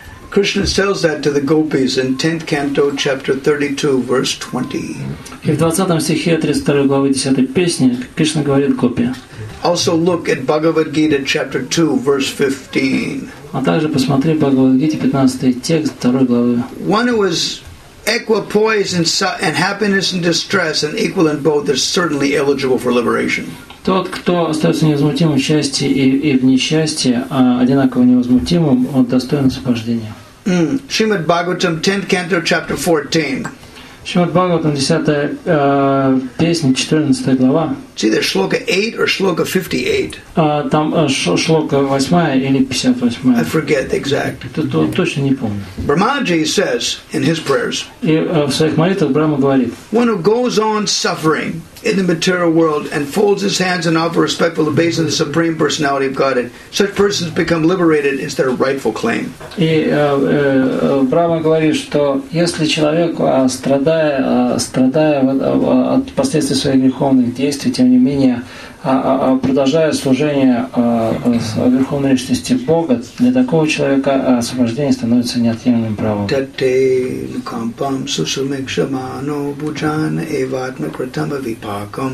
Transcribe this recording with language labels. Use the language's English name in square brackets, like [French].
[English] Krishna tells that to the gopis in 10th canto, chapter 32, verse 20. [Russian] И в 20 стихе 32 главы 10 песни Кришна говорит гопи. [English] Also look at Bhagavad Gita, chapter 2, verse 15. [Russian] А также посмотри Бхагавад Гите 15 текст 2 главы. [English] One who is equipoise and happiness and distress and equal in both is certainly eligible for liberation. [Russian] Тот, кто остается невозмутимым в счастье и в несчастье, а одинаково невозмутимым, он достоин освобождения. [English] Shrimad Bhagavatam, 10th canto, chapter 14. [Russian] Шримад Бхагаватам, 10 песня, 14 глава. [English] It's either шлока 8 or шлока 58. [Russian] Там шлока 8 или 58. [English] I forget the exact. [Russian] Точно не помню. [English] Брахмаджи says in his prayers. [Russian] И в своих молитвах Брахма говорит. [English] One who goes on suffering in the material world and folds his hands and offers respectful obeisance to the Supreme Personality of God, and such persons become liberated is their rightful claim. [Russian] И Брахма говорит, что если человек, страдая от последствий своих греховных действий, тем не менее продолжая служение Верховной Личности Бога, для такого человека освобождение становится неотъемлемым правом.